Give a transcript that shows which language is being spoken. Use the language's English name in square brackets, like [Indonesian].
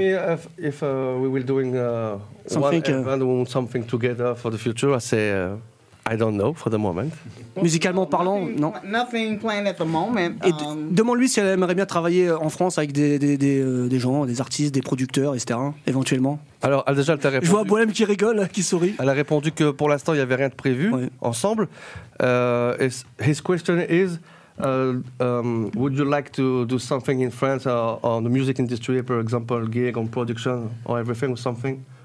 [English] If we will doing something, something together for the future, I say I don't know for the moment. [French] Musicalement parlant, non. [English] Nothing planned at the moment. [French] Et demande-lui si elle aimerait bien travailler en France avec des gens, des artistes, des producteurs, etc. Éventuellement. Alors, déjà, elle t'a répondu. Je vois Boilem qui rigole, qui sourit. Elle a répondu que pour l'instant, il n'y avait rien de prévu ensemble. [English] His question is. Would you like to do something in France on the music industry, for example, gig on production or everything or something?